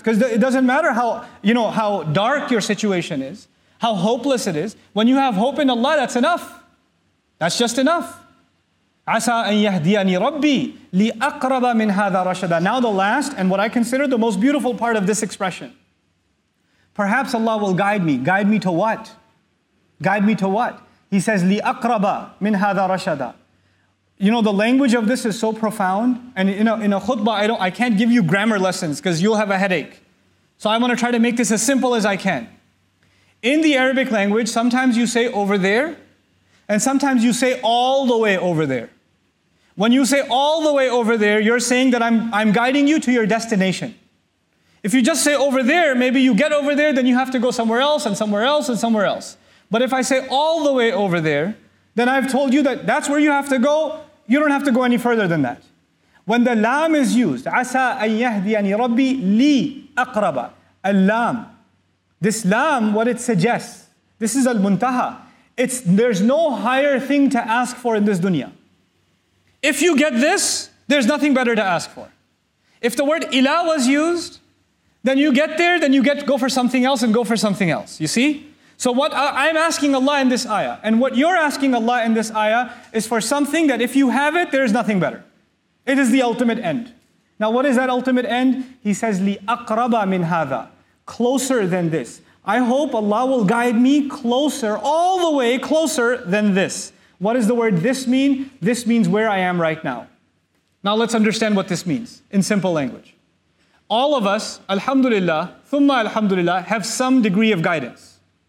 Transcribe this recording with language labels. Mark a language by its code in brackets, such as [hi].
[en] Because it doesn't matter how, you know, how dark your situation is, how hopeless it is. When you have hope in Allah, that's enough. That's just enough. [ar] عَسَىٰ أَن يَهْدِيَنِي رَبِّي لِأَقْرَبَ مِنْ هَذَا رَشَدًا. [en] Now the last, and what I consider the most beautiful part of this expression. Perhaps Allah will guide me. Guide me to what? Guide me to what? He says, [ar] لِأَقْرَبَ مِنْ هَذَا رَشَدًا. [en] You know, the language of this is so profound. And in a khutbah, I can't give you grammar lessons because you'll have a headache. So I want to try to make this as simple as I can. In the Arabic language, sometimes you say over there, and sometimes you say all the way over there. When you say all the way over there, you're saying that I'm guiding you to your destination. If you just say over there, maybe you get over there, then you have to go somewhere else and somewhere else and somewhere else. But if I say all the way over there, then I've told you that that's where you have to go. You don't have to go any further than that. When the lam is used, [ar] عَسَىٰ أَن يَهْدِيَنِي رَبِّي لِي أَقْرَبَ. [en] Al-lam. This lam, what it suggests, this is al-muntaha. There's no higher thing to ask for in this dunya. If you get this, there's nothing better to ask for. If the word ilah was used, then you get there, then you get go for something else and go for something else. You see? So what I'm asking Allah in this ayah, and what you're asking Allah in this ayah, is for something that if you have it, there is nothing better. It is the ultimate end. Now what is that ultimate end? He says, [ar] لِأَقْرَبَ مِنْ هَذَا. [en] Closer than this. I hope Allah will guide me closer, all the way closer than this. What does the word this mean? This means where I am right now. Now let's understand what this means, in simple language. All of us, alhamdulillah, thumma alhamdulillah, have some degree of guidance.